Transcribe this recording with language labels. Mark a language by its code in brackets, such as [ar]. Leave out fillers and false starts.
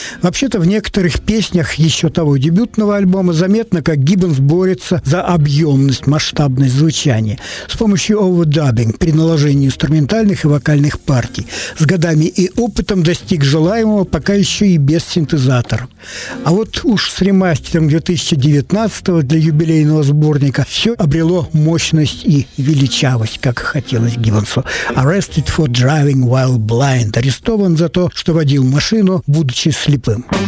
[ru] Вообще-то в некоторых песнях еще того дебютного альбома заметно, как Гиббонс борется за объемность, масштабность звучания с помощью овердабинг при наложении инструментальных и вокальных партий. С годами и опытом достиг желаемого, пока еще и без синтезаторов. А вот уж с ремастером 2019 для юбилейного сборника все обрело мощность и величавость, как хотелось Гиббонсу. [en] Arrested for driving while blind. [ru] Арестован за то, что водил машину, будучи слепым.